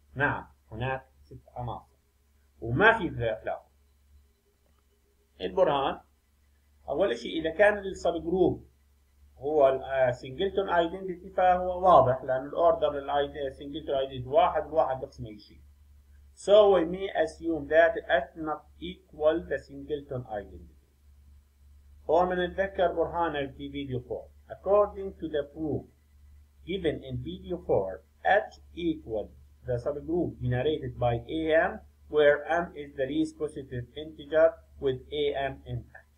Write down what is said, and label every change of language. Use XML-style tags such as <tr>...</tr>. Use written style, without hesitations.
<ar>نعم هناك 6 عناصر وما في خلاف. البرهان اول شيء اذا كان السب جروب هو السنجلتون ايدنتيتي فهو واضح لان الاوردر للسنجلتون ايدنتيتي واحد واحد بقسم اي شيء.</ar> <en>So we may assume that F not equal the singleton identity.</en> <ar>هون بنتذكر برهان في فيديو 4.</ar> <en>According to the proof given in video 4, H equals the subgroup generated by AM, where M is the least positive integer with AM in H.</en>